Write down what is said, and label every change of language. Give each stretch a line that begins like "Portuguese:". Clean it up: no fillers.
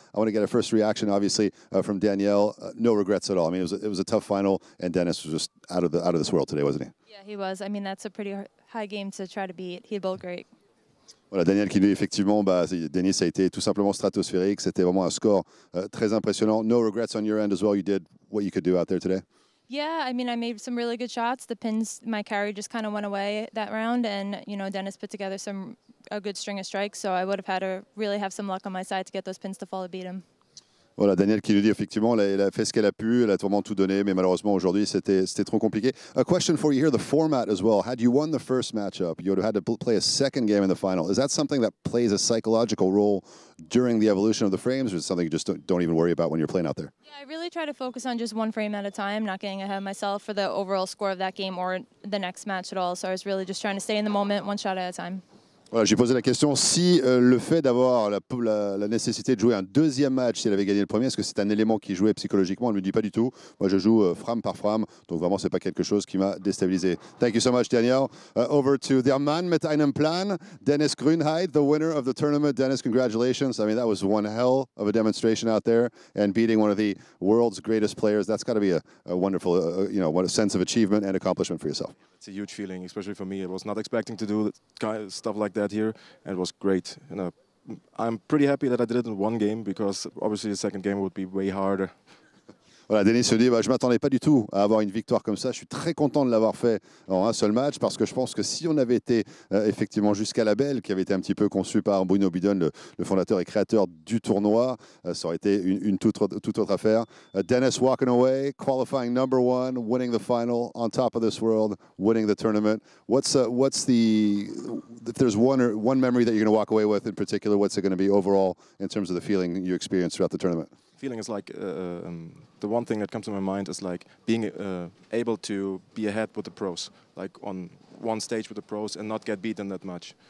English: I want to get a first reaction, obviously, from Daniel. No regrets at all. I mean, it was a tough final, and Denis was just out of this world today, wasn't he? Yeah, he was. I mean, that's a pretty high game to try to beat. He bowled great.
French: Voilà, Daniel qui dit effectivement, Denis a été tout simplement stratosphérique. C'était vraiment un score très impressionnant.
English: No regrets on your end as well. You did what you could do out there today. Yeah, I mean, I made some really good shots. The pins, my carry just kind of went away that round. And, you know, Denis put together a good string of strikes. So I would have had to really have some luck on my side to get those pins to fall to beat him.
French: Voilà, Daniel qui nous dit effectivement, elle a fait ce qu'elle a pu, elle a vraiment tout donné, mais malheureusement aujourd'hui c'était trop compliqué.
English: A question for you here, the format as well. Had you won the first matchup, you would have had to play a second game in the final. Is that something that plays a psychological role during the evolution of the frames, or is it something you just don't even worry about when you're playing out there? Yeah, I really try to focus on just one frame at a time, not getting ahead of myself for the overall score of that game or the next match at all. So I was really just trying to stay in the moment, one shot at a time.
French: Voilà, j'ai posé la question, si le fait d'avoir la nécessité de jouer un deuxième match, si elle avait gagné le premier, est-ce que c'est un élément qui jouait psychologiquement? Elle ne me dit pas du tout. Moi, je joue frame par frame, donc vraiment, ce n'est pas quelque chose qui m'a déstabilisé.
English: Thank you so much, Daniel. Over to their man
German: mit einem Plan,
English: Denis Grenade, the winner of the tournament. Denis, congratulations. I mean, that was one hell of a demonstration out there, and beating one of the world's greatest players, that's got to be a wonderful a sense of achievement and accomplishment for yourself. It's a huge feeling, especially for me. I was not expecting to do stuff like that here, and it was great. You know, I'm pretty happy that I did it in one game, because obviously the second game would be way harder.
French: Voilà, Denis se dit, je m'attendais pas du tout à avoir une victoire comme ça. Je suis très content de l'avoir fait en un seul match, parce que je pense que si on avait été effectivement jusqu'à la belle, qui avait été un petit peu conçue par Bruno Bidon, le fondateur et créateur du tournoi, ça aurait été une toute autre affaire.
English: Denis walking away, qualifying number one, winning the final, on top of this world, winning the tournament. If there's one memory that you're going to walk away with in particular, what's it going to be overall in terms of the feeling you experienced throughout the tournament? Feeling is like the one thing that comes to my mind is like being able to be ahead with the pros, like on one stage with the pros and not get beaten that much.